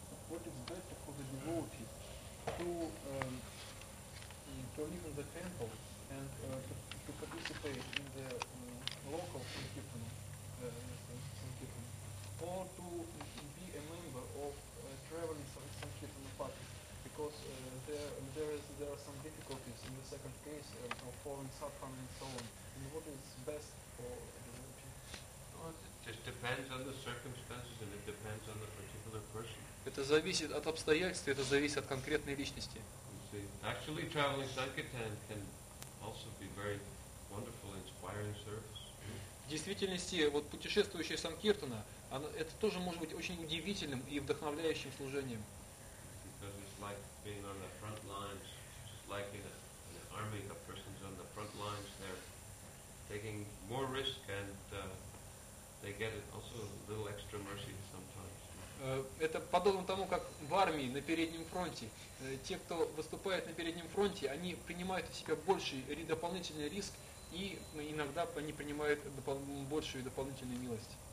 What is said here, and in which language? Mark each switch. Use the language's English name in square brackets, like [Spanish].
[English] According to that, for the devotee to live in the temple and to participate in the local sankirtana, or to be a member of traveling sankirtana party, because there are some difficulties in the second case of falling sadhana and so on. And what is best for the devotee? It depends on the circumstances and it depends on the particular person. [Russian] Это зависит от обстоятельств, это зависит от конкретной личности. [English] Actually, traveling sankirtan can also be very wonderful, inspiring service. [Russian] В действительности, вот путешествующий санкиртана, это тоже может быть очень удивительным и вдохновляющим служением. [English] Because it's like being on the front lines, just like in an army, the person's on the front lines, they're taking more risk and they get also a little extra mercy sometimes. [Russian] Это подобно тому, как в армии на переднем фронте. Те, кто выступает на переднем фронте, они принимают у себя больший дополнительный риск, и иногда они принимают большую дополнительную милость.